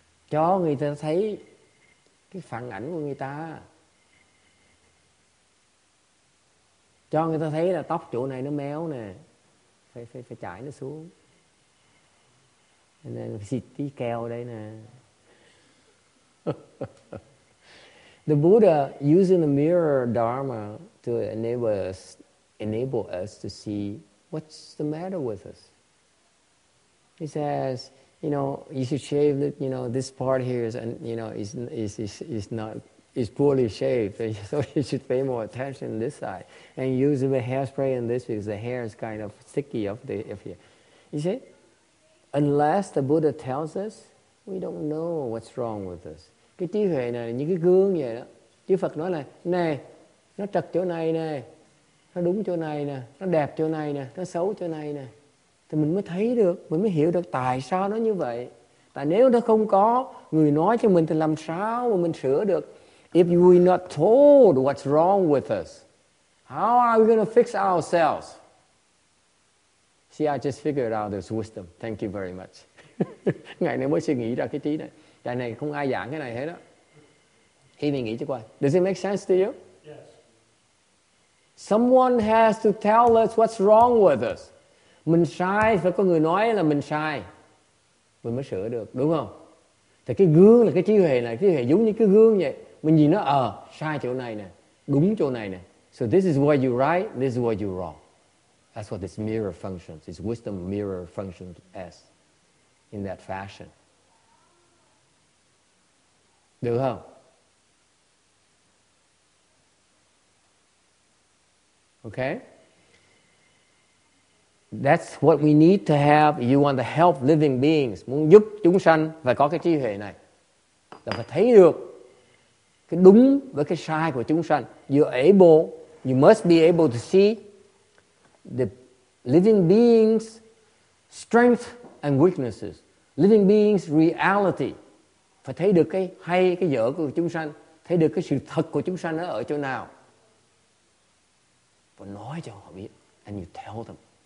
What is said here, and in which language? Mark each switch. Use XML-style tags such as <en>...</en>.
<vi>Cho người ta thấy cái phản ảnh của người ta. Cho người ta thấy là tóc chỗ này nó méo nè, phải chải nó xuống, nên xịt tí keo đây nè.</vi> <en>The Buddha using the mirror Dharma to enable us to see what's the matter with us. He says, you know, you should shave the, you know, this part here is, and you know, is poorly shaved, so you should pay more attention to this side. And use the hairspray in this because the hair is kind of sticky up here. You see? Unless the Buddha tells us, we don't know what's wrong with us.</en> <vi>Cái trí huệ này là những cái gương vậy đó. Chứ Phật nói là, nè, nó trật chỗ này nè, nó đúng chỗ này nè, nó đẹp chỗ này nè, nó xấu chỗ này nè. Thì mình mới thấy được, mình mới hiểu được tại sao nó như vậy. Tại nếu nó không có, người nói cho mình thì làm sao mà mình sửa được.</vi> <en>If we're not told what's wrong with us, how are we going to fix ourselves? See, I just figured out this wisdom. Thank you very much.</en> <vi>Ngày nay mới suy nghĩ ra cái trí này. Ngày nay không ai giảng cái này hết á. Khi mình nghĩ chứ qua.</vi> <en>Does it make sense to you? Yes. Someone has to tell us what's wrong with us.</en> <vi>Mình sai, phải có người nói là mình sai. Mình mới sửa được, đúng không? Thì cái gương là cái trí huệ này, trí huệ giống như cái gương vậy. Mình nhìn nó, sai chỗ này nè, đúng chỗ này nè.</vi> <en>So this is what you're right, this is what you're wrong. That's what this mirror functions, this wisdom mirror functions as, in that fashion.</en> <vi>Được không?</vi> <en>Okay? That's what we need to have, you want to help living beings.</en> <vi>Muốn giúp chúng sanh phải có cái trí huệ này. Là phải thấy được cái đúng với cái sai của chúng sanh.</vi> <en>You must be able to see the living beings' strength and weaknesses. Living beings' reality.</en> <vi>Phải thấy được cái hay, cái dở của chúng sanh. Thấy được cái sự thật của chúng sanh nó ở chỗ nào. Và nói cho họ biết.</vi> <en>And you tell them.</en>